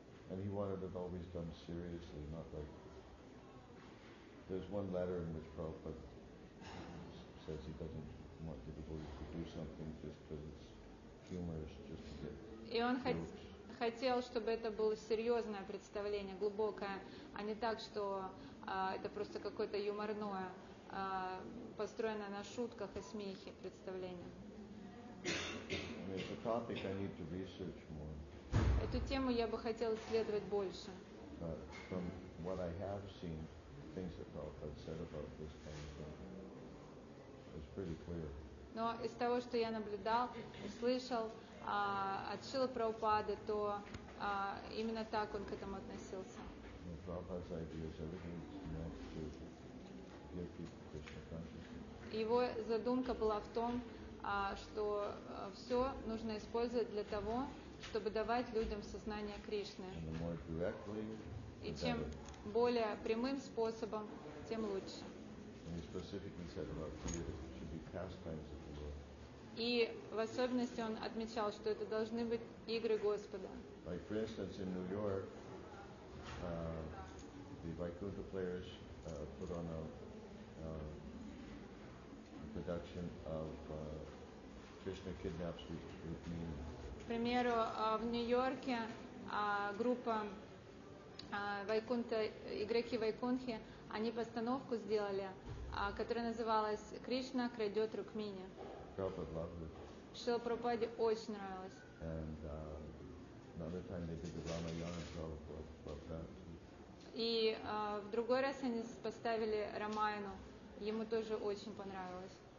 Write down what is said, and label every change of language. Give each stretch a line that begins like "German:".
English: And he wanted it always done seriously, not like... There's one letter in which Prabhupada says he doesn't want the devotees to do something just because it's humorous, just to get
Russian: и он хотел, чтобы это было серьезное представление, глубокое, а не так, что это просто какое-то юморное, построенное на шутках и смехе представление.
English: I mean, it's a topic I need to research more.
Russian: Эту тему я бы хотел исследовать больше.
English: But from what I have seen, things that Prabhupada said about this kind of thing, it's pretty clear.
Russian: Но из того, что я наблюдал, услышал от Шрилы Прабхупады, то именно так он к этому относился.
English: And Prabhupada's idea is everything meant to give people Krishna consciousness.
Russian: Его задумка была в том, что все нужно использовать для того, чтобы давать людям сознание Кришны.
English: And the more directly, the
Russian: и чем
English: better.
Russian: Более прямым способом, тем лучше.
English: And he specifically said about theater, it should be pastimes of the Lord.
Russian: И в особенности он отмечал, что это должны быть игры Господа.
English: Like, for instance, in New York, the Vaikuntha players put on a production of Krishna Kidnaps Rukmini.
Russian: К примеру, в Нью-Йорке группа Вайкунта, игроки Вайкунхи, они постановку сделали, которая называлась «Кришна крадет Рукмини».
English: Prabhupada loved it.
Russian: Шрила Прабхупаде очень нравилось.
English: And another time they did the Ramayana, Prabhupada loved that too.
Russian: И в другой раз они поставили Рамаяну, ему тоже очень понравилось.